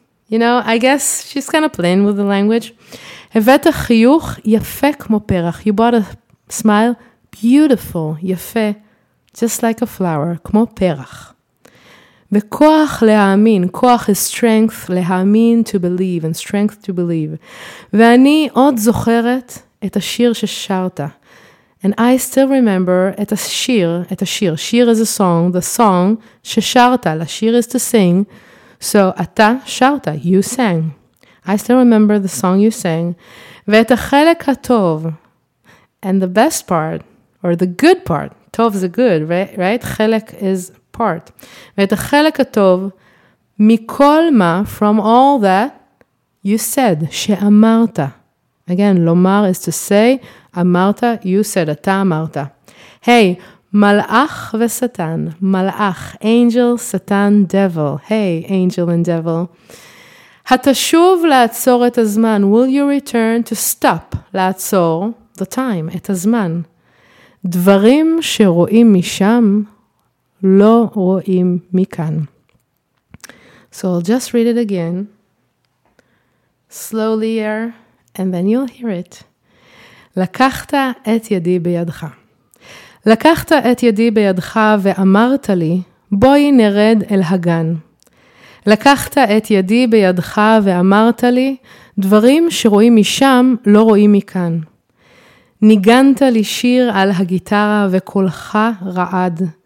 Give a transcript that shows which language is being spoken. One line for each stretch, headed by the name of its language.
English: You know, I guess she's kind of playing with the language.
Hebrew: הבאת חיוך יפה כמו פרח.
English: You brought a smile beautiful, יפה, just like a flower,
Hebrew: כמו פרח. וכוח להאמין,
English: כוח is strength, להאמין to believe, and strength to believe.
Hebrew: ואני עוד זוכרת את השיר ששרת.
English: And I still remember
Hebrew: את השיר.
English: שיר is a song, the song ששרת. לשיר is to sing. So,
Hebrew: אתה שרת,
English: you sang. I still remember the song you sang.
Hebrew: ואת החלק הטוב,
English: and the best part, or the good part, טוב זה good, right? חלק is part.
Hebrew: ואת החלק הטוב, מכל מה,
English: from all that, you said,
Hebrew: שאמרת.
English: Again, לומר is to say, אמרת, you said,
Hebrew: אתה אמרת. Hey, מלאך ושטן, מלאך, angel, שטן, devil.
English: Hey, angel and devil.
Hebrew: התשוב לעצור את הזמן.
English: Will you return to stop, לעצור the time,
Hebrew: את הזמן. דברים שרואים משם לא רואים מכאן.
English: So I'll just read it again. Slowlier, and then you'll hear it.
Hebrew: לקחת את ידי בידך. לקחת את ידי בידך ואמרת לי, בואי נרד אל הגן. לקחת את ידי בידך ואמרת לי, דברים שרואים משם לא רואים מכאן. ניגנת לי שיר על הגיטרה וקולך רעד.